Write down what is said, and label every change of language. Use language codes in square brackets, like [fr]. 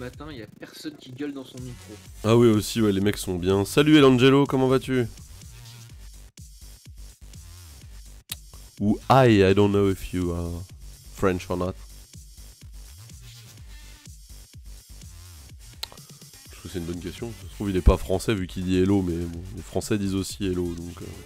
[fr] Il y a personne qui gueule dans son micro. Ah oui, aussi, ouais, les mecs sont bien. Salut Elangelo, comment vas-tu? [en] Ou hi, I don't know if you are French or not. [fr] Je trouve que c'est une bonne question. Ça se trouve, il n'est pas français vu qu'il dit hello, mais bon, les français disent aussi hello, donc...